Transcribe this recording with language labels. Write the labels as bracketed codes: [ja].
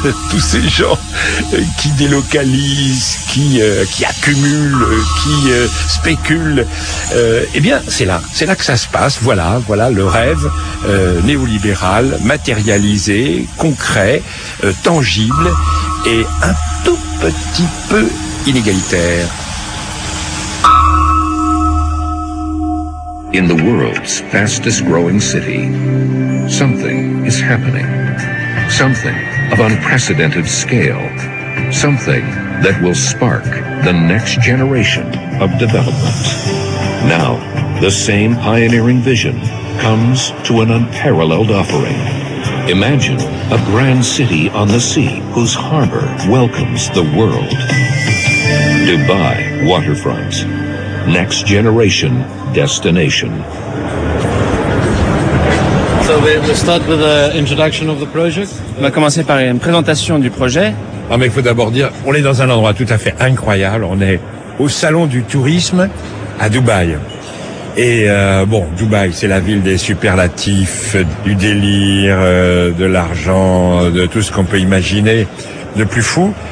[fr] Tous ces gens qui délocalisent, qui accumulent, qui spéculent. Eh bien, c'est là que ça se passe. Voilà le rêve néolibéral, matérialisé, concret, tangible et un tout petit peu inégalitaire. [en] In the world's fastest growing city, something is happening. Something of unprecedented scale. Something that will spark the next generation of development. Now, the same pioneering vision comes to an unparalleled offering. Imagine a grand city on the sea whose harbor welcomes the world. Dubai Waterfront. Next generation destination. So we'll start with an introduction of the project. [fr] On va commencer par une présentation du projet. Ah, mais il faut d'abord dire, on est dans un endroit tout à fait incroyable. On est au salon du tourisme à Dubaï. Et bon, Dubaï, c'est la ville des superlatifs, du délire, de l'argent, de tout ce qu'on peut imaginer de plus fou.